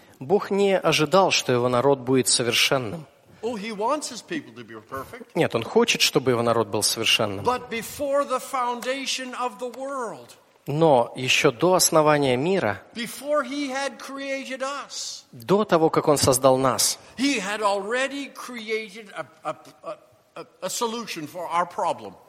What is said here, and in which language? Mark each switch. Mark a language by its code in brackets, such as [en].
[ru] Бог не ожидал, что его народ будет совершенным. [en] Oh, he wants his people to be perfect. [ru] Нет, он хочет, чтобы его народ был совершенным. [en] But before the foundation of the world. [ru] Но еще до основания мира. [en] Before he had created us. [ru] До того, как он создал нас. [en] He had already created a solution for our problem.